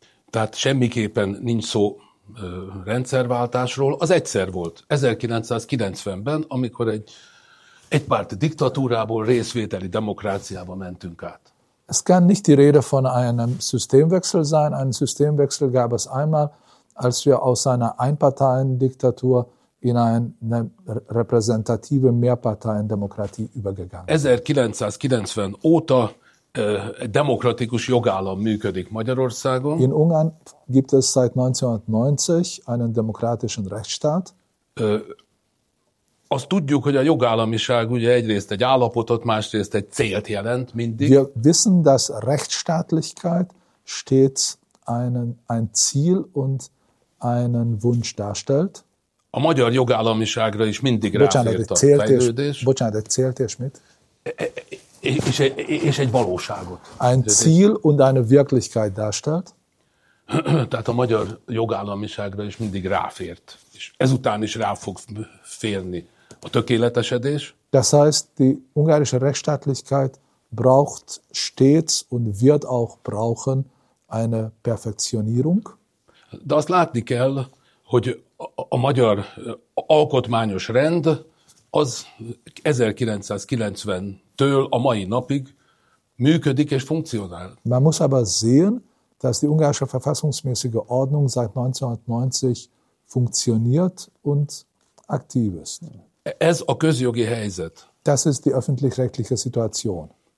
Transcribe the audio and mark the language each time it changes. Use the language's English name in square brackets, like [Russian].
[Hungarian] Tehát semmiképpen nincs szó rendszerváltásról. Az egyszer volt, 1990-ben, amikor egypárti diktatúrából részvételi demokráciába mentünk át. [German] Es kann nicht die Rede von einem Systemwechsel sein. Einen Systemwechsel gab es einmal, als wir aus einer Einparteiendiktatur in eine repräsentative Mehrparteiendemokratie übergegangen sind. [Hungarian] 1990 óta demokratikus jogállam működik Magyarországon. [German] In Ungarn gibt es seit 1990 einen demokratischen Rechtsstaat. [Hungarian] Azt tudjuk, hogy a jogállamiság ugye egyrészt egy állapotot, másrészt egy célt jelent mindig. [German] Wir wissen, dass Rechtsstaatlichkeit stets ein Ziel und einen Wunsch darstellt. [Hungarian] A magyar jogállamiságra is mindig ráfért a fejlődés. Bocsánat, egy célt és mit? És egy valóságot. [German] Ein Ziel und eine Wirklichkeit darstellt. [Hungarian] Tehát a magyar jogállamiságra is mindig ráfért. Ezután is rá fog férni a tökéletesedés. [German] Das heißt, die ungarische Rechtsstaatlichkeit braucht stets und wird auch brauchen eine Perfektionierung. [Hungarian] De azt látni kell, hogy a magyar alkotmányos rend az 1990-től a mai napig működik és funkcionál. [German] Man muss aber sehen, dass die ungarische verfassungsmäßige Ordnung seit 1990 funktioniert und aktiv ist. [Hungarian] Ez a közjogi helyzet. [German] Das ist die öffentlich-rechtliche Situation.